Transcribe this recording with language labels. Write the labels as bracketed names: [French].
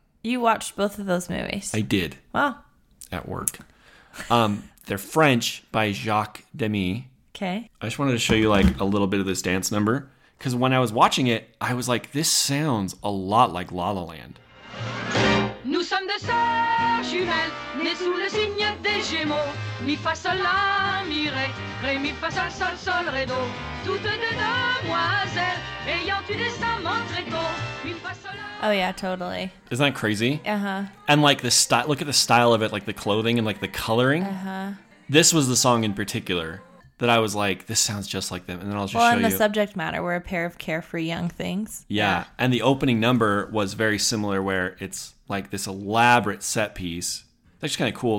[English] You watched both of those movies? I did. Wow. At work. They're French by Jacques Demy. Okay. I just wanted to show you like a little bit of this dance number. Because when I was watching it, I was like, this sounds a lot like La La Land. [French] Nous sommes de sœurs jumelles, nées sous le signe des Gémeaux. Mi fa sol la mi ré, ré mi fa sol sol sol ré do. Toutes deux demoiselles, ayant eu des amants très tôt. [English] Oh, yeah, totally. Isn't that crazy? Uh-huh. And, like, the style, look at the style of it, like, the clothing and, like, the coloring. Uh-huh. This was the song in particular that I was like, this sounds just like them. And then I'll just show you. Well, and the subject matter, we're a pair of carefree young things. Yeah. And the opening number was very similar where it's, like, this elaborate set piece. It's actually kind of cool.